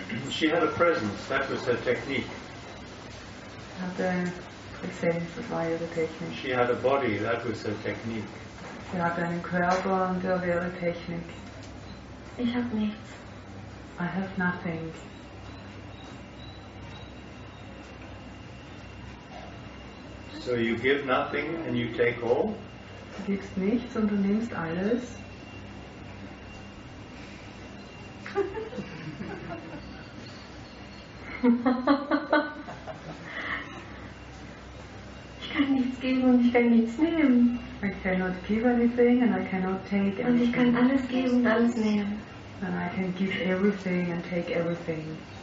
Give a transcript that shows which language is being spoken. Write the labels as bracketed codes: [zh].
[en] She had a presence, that was her technique. [de] Hatte Präsenz, das war ihre Technik. [en] She had a body, that was her technique. [de] Sie hatte einen Körper und der war ihre Technik. Ich habe nichts. [en] I have nothing. So you give nothing and you take all? [de] Du gibst nichts und du nimmst alles. Ich kann nichts geben und ich kann nichts nehmen. [en] I cannot give anything and I cannot take anything. [de] Und ich kann alles geben und alles nehmen. [en] And I can give everything and take everything.